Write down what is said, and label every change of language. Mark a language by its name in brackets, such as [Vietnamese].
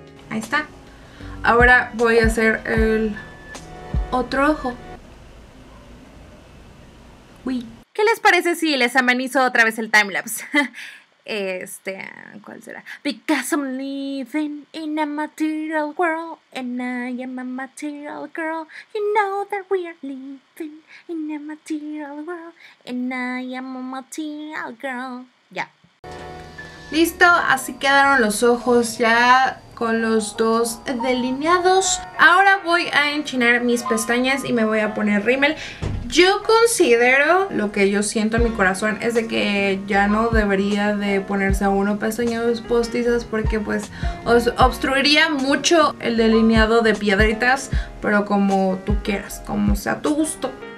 [Spanish] Ahí está. Ahora voy a hacer el otro ojo. Uy. ¿Qué les parece si les amanizo otra vez el timelapse? ¿Cuál será? [English] Because I'm living in a material world and I am a material girl. You know that we are living in a material world and I am a material girl. [Spanish] Ya. Listo, así quedaron los ojos ya con los dos delineados. Ahora voy a enchinar mis pestañas y me voy a poner rímel. Yo considero, lo que yo siento en mi corazón, es de que ya no debería de ponerse a uno pestañas postizas porque pues os obstruiría mucho el delineado de piedritas, pero como tú quieras, como sea tu gusto.